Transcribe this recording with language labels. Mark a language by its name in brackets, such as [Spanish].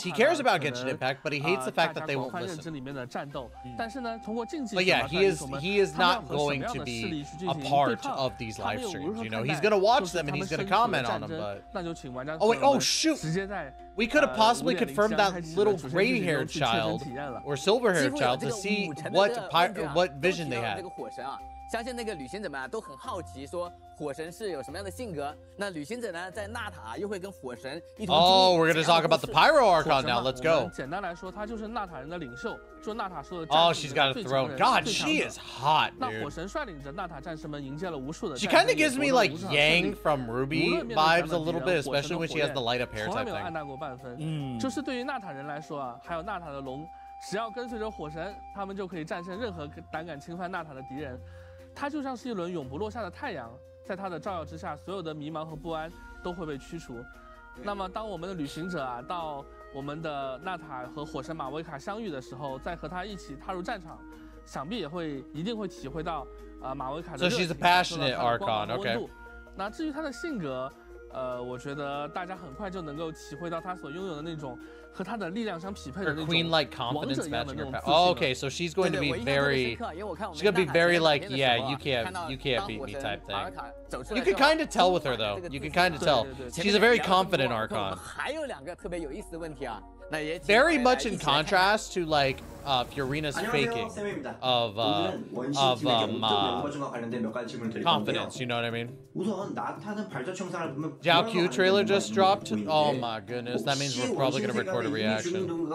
[English] He cares about Genshin Impact, but he hates the fact that they won't listen. But yeah, he is not going to be a part of these live streams, you know. He's gonna watch them and he's gonna comment on them, but oh shoot, we could have possibly confirmed that little gray haired child or silver haired child to see what vision they had. [Chinese] 相信那个旅行者们都很好奇，说火神是有什么样的性格，那旅行者呢在纳塔又会跟火神一同经历。 [English] Oh, we're gonna talk about the pyro archon now, let's go. [Chinese] 简单来说，他就是纳塔人的领袖，说纳塔说的。 [English] Oh, she's got a throne. God, she is hot, dude. [Chinese] 那火神率领着纳塔战士们迎接了无数的。 [English] She kind of gives me like Yang from Ruby vibes a little bit, especially when she has the light up hair type thing. [Chinese] 从来没有暗淡过半分。就是对于纳塔人来说啊，还有纳塔的龙，只要跟随着火神，他们就可以战胜任何胆敢侵犯纳塔的敌人。它就像是一轮永不落下的太阳，在它的照耀之下，所有的迷茫和不安都会被驱除。那么当我们的旅行者啊，到我们的纳塔和火神马威卡相遇的时候，再和他一起踏入战场，想必也会一定会体会到马威卡的热情，受到他的光芒和温度。那至于他的性格，我觉得大家很快就能够体会到他所拥有的那种和他的力量相匹配的那种 [English] queen-like confidence matching her power. Oh, okay, so she's going to be very, [Chinese] 对对， [English] she's going to be very like, yeah, you can't beat me type thing. You can kind of tell with her though. You can kind of tell. She's a very confident Archon. [Chinese] 还有两个特别有意思的问题啊， [English] Very much in contrast to like Fiorina's faking of confidence, you know what I mean? Zhao Q trailer just dropped. Oh my goodness, that means we're probably gonna record a reaction.